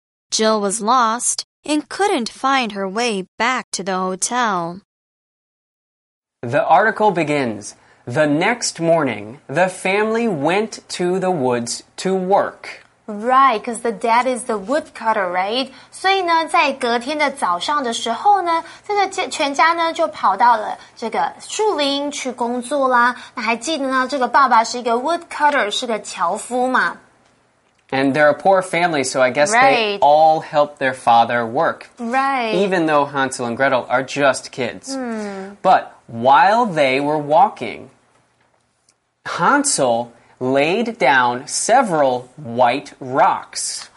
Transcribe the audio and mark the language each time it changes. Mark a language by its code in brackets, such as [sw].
[en] Jill was lost and couldn't find her way back to the hotel. The article begins, the next morning, the family went to the woods to work. Right, because the dad is the woodcutter, right? [zh] 所以呢，在隔天的早上的时候呢，这个全家呢就跑到了这个树林去工作啦。那还记得呢，这个爸爸是一个 woodcutter, 是个樵夫嘛。 [en] And they're a poor family, so I guess they all help their father work. Right. Even though Hansel and Gretel are just kids. But while they were walking, Hansel laid down several white rocks.